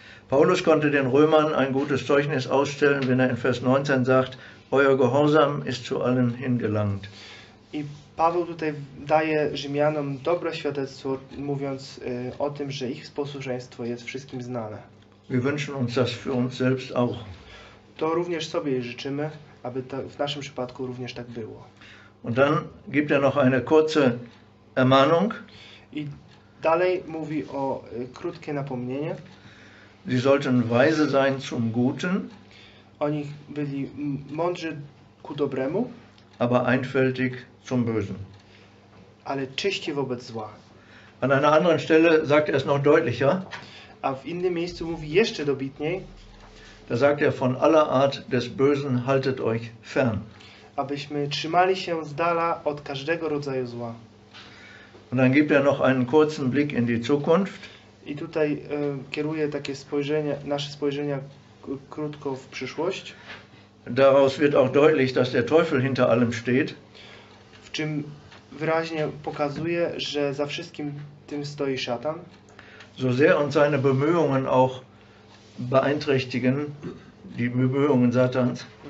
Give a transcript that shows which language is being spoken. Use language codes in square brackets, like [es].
[de] Paulus konnte den Römern ein gutes Zeugnis ausstellen, wenn er in Vers 19 sagt, euer Gehorsam ist zu allen hingelangt. [pl] I Paweł tutaj daje Rzymianom dobre świadectwo, mówiąc o tym, że ich posłuszeństwo jest wszystkim znane. [de] Wir wünschen uns das für uns selbst auch. [pl] To również sobie życzymy, aby to w naszym przypadku również tak było. [de] Und dann gibt er noch eine kurze Ermahnung. [pl] I dalej mówi o krótkie napomnienie. [de] Sie sollten weise sein zum Guten. [pl] Oni byli mądrzy ku dobremu. [de] Aber einfältig zum Bösen. [pl] Ale czyści wobec zła. [de] An einer anderen Stelle sagt es noch deutlicher. [pl] A w innym miejscu mówi jeszcze dobitniej. [de] Da sagt von aller Art des Bösen haltet euch fern. [pl] Abyśmy trzymali się z dala od każdego rodzaju zła. [de] Und dann gibt noch einen kurzen Blick in die Zukunft. [pl] I tutaj kieruje takie spojrzenie, nasze spojrzenia krótko w przyszłość. [de] Daraus wird auch deutlich, dass der Teufel hinter allem steht. [pl] W czym wyraźnie pokazuje, że za wszystkim tym stoi szatan. [de] So sehr und seine Bemühungen auch beeinträchtigen, die Bemühungen Satans.